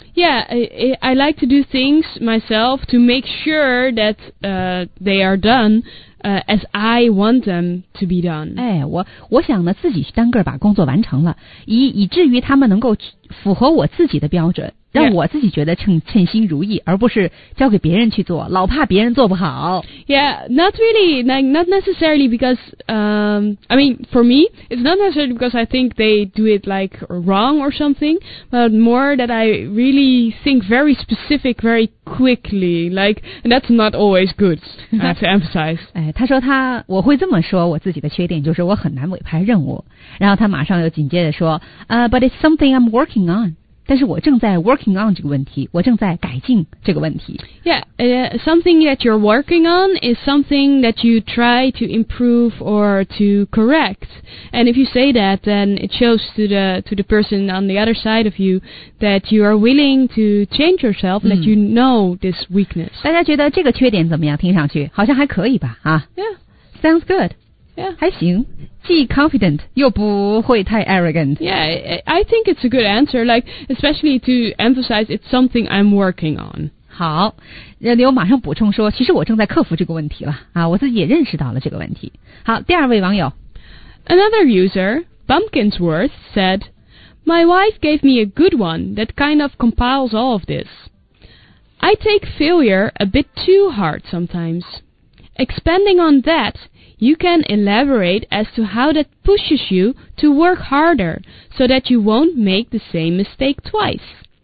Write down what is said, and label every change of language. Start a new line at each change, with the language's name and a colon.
English: Yeah, I like to do things myself to make sure that they are done as I want them to be done.
Chinese: 哎，我想呢，自己单个把工作完成了，以至于他们能够符合我自己的标准。让我自己觉得称心如意，而不是交给别人去做，老怕别人做不好。
English: Yeah, not really, like, not necessarily because, I mean, for me, it's not necessarily because I think they do it like wrong or something, but more that I really think very specific, very quickly, like, and that's not always good, I have to emphasize.
Chinese: 他说他，我会这么说我自己的缺点，就是我很难委派任务。然后他马上又紧接着说
English: but it's something I'm working on.
Chinese: 但是我正在
English: working on
Chinese: 这个问题，我正在改进这个问题。
English: Yeah, something that you're working on is something that you try to improve or to correct. And if you say that, then it shows to the person on the other side of you that you are willing to change yourself, that you know this weakness.
Chinese: 大家觉得这个缺点怎么样？听上去好像还可以吧？啊
English: ？Yeah, sounds good. Yeah,
Chinese: 还行。既 confident 又不会太 arrogant.
English: Yeah, I think it's a good answer, like, especially to emphasize it's something I'm working on.
Chinese: 好，任刘马上补充说，其实我正在克服这个问题了，啊，我自己也认识到了这个问题。好，第二位网友。
English: Another user, Bumpkinsworth, said, My wife gave me a good one that kind of compiles all of this. I take failure a bit too hard sometimes. Expanding on that,You can elaborate as to how that pushes you to work harder so that you won't make the same mistake twice.